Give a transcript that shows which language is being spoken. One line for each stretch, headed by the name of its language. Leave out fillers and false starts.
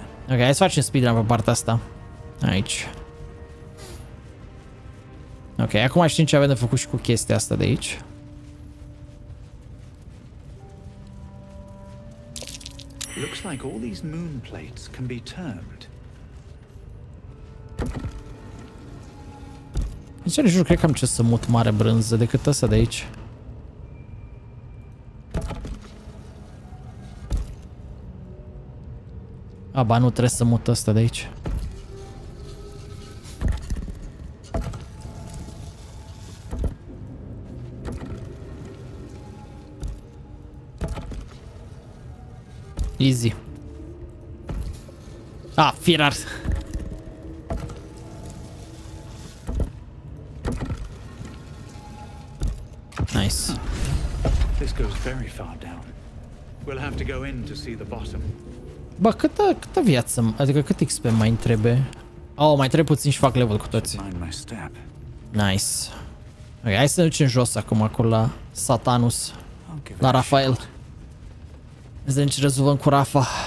Romanian: Ok, hai să facem speedrun pe partea asta. Aici. Ok, acum știm ce avem de făcut și cu chestia asta de aici.
English: Looks like all these moon plates can be turned.
Romanian: Nici nu știu, cred că am ce să mut mare brânză decât ăsta de aici. Aba, nu trebuie să mut ăsta de aici.
English: Easy. Ah, firar. Nice. This goes very far down. We'll have to go in to see the bottom.
Romanian: Bă, câtă viață, adică cât XP mai trebuie? Oh, mai trebuie puțin și fac level cu toți. Nice. Ok, hai să ne ducem jos acum acolo la Satanus. La Rafael. Să ne rezolvăm cu Rafa.